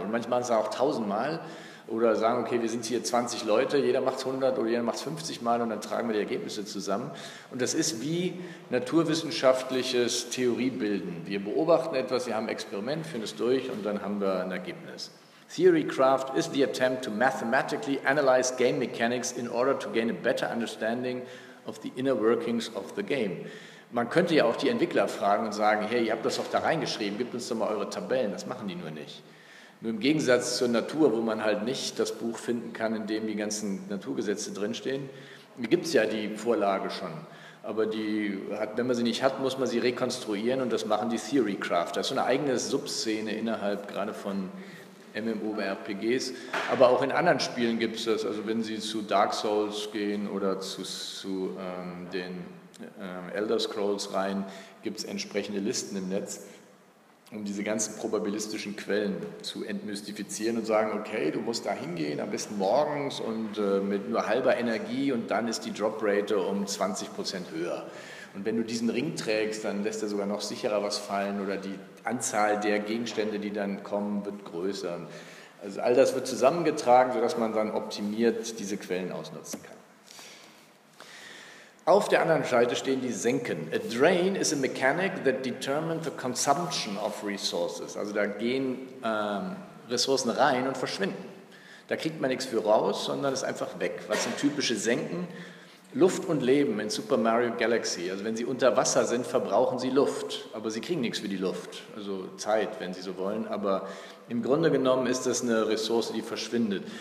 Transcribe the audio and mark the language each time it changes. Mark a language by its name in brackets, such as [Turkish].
[German] Und manchmal sind es auch 1000-mal. Oder sagen, okay, wir sind hier 20 Leute, jeder macht 100 oder jeder macht 50-mal und dann tragen wir die Ergebnisse zusammen. Und das ist wie naturwissenschaftliches Theoriebilden. Wir beobachten etwas, wir haben ein Experiment, führen es durch und dann haben wir ein Ergebnis. [English] Theorycraft is the attempt to mathematically analyze game mechanics in order to gain a better understanding of the inner workings of the game. [German] Man könnte ja auch die Entwickler fragen und sagen, hey, ihr habt das doch da reingeschrieben, gebt uns doch mal eure Tabellen, das machen die nur nicht. Nur im Gegensatz zur Natur, wo man halt nicht das Buch finden kann, in dem die ganzen Naturgesetze drinstehen, gibt es ja die Vorlage schon. Aber wenn man sie nicht hat, muss man sie rekonstruieren und das machen die Theorycraft. Das ist so eine eigene Subszene innerhalb gerade von MMORPGs. Aber auch in anderen Spielen gibt es das. Also wenn Sie zu Dark Souls gehen oder zu den Elder Scrolls rein, gibt es entsprechende Listen im Netz, um diese ganzen probabilistischen Quellen zu entmystifizieren und sagen, okay, du musst da hingehen, am besten morgens und mit nur halber Energie und dann ist die Droprate um 20% höher. Und wenn du diesen Ring trägst, dann lässt er sogar noch sicherer was fallen oder die Anzahl der Gegenstände, die dann kommen, wird größer. Also all das wird zusammengetragen, sodass man dann optimiert diese Quellen ausnutzen kann. Auf der anderen Seite stehen die Senken. [English] A drain is a mechanic that determines the consumption of resources. [German] Also da gehen Ressourcen rein und verschwinden. Da kriegt man nichts für raus, sondern ist einfach weg. Was sind typische Senken? Luft und Leben in Super Mario Galaxy. Also wenn sie unter Wasser sind, verbrauchen sie Luft. Aber sie kriegen nichts für die Luft. Also Zeit, wenn sie so wollen. Aber im Grunde genommen ist das eine Ressource, die verschwindet.